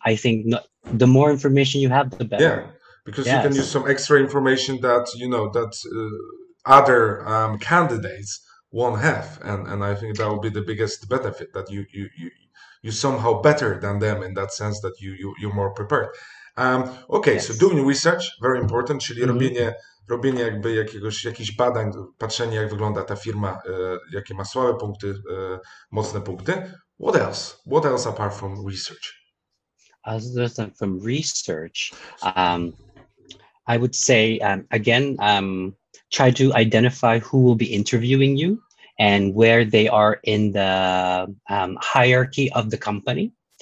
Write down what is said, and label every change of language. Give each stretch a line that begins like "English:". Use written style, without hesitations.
English: I think the more information you have, the better. Yeah. Because you can use some extra information that, you know, that other candidates won't have. And I think that will be the biggest benefit, that you're somehow better than them in that sense, that you're more prepared. Okay, yes. So doing research, very important,
Polish: czyli robienie jakby jakichś badań, patrzenie, jak wygląda ta firma, jakie ma słabe punkty, mocne punkty.
English: What else? What else apart from research? Other than from research, I would say, again, try to identify who will be interviewing you and where they are in the hierarchy of the company.